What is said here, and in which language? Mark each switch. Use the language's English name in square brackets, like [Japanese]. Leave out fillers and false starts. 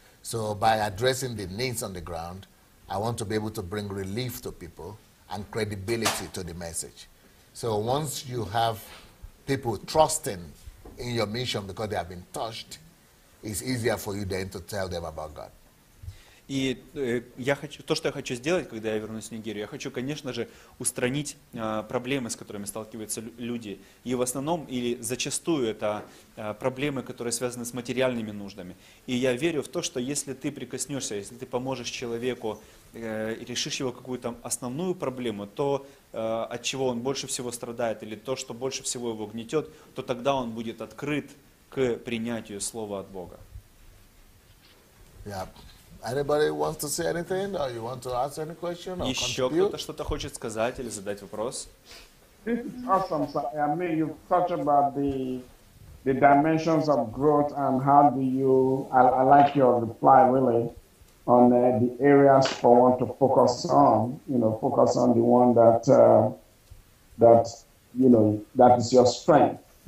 [English] So by addressing the needs on the ground, I want to be able to bring relief to people and credibility to the message. So once you have people trusting in your mission because they have been touched, it's easier for you then to tell them about God. [Russian] И я хочу, то, что я хочу сделать, когда я вернусь в Нигерию, я хочу, конечно же, устранить проблемы, с которыми сталкиваются люди. И в основном, или зачастую, это проблемы, которые связаны с материальными нуждами. И я верю в то, что если ты прикоснешься, если ты поможешь человеку, решишь его какую-то основную проблему, то, от чего он больше всего страдает, или то, что больше всего его гнетет, то тогда он будет открыт к принятию слова от Бога. [English] Yeah. Anybody wants to say anything, or you want to ask any question, or [Russian] еще [English] contribute? [Russian] Кто-то что-то хочет сказать или задать вопрос? [English] Awesome, sir. I mean, you've touched about the dimensions of growth, and how do you? I like your reply really on the areas for one to focus on. You know, focus on the one that that is your strength.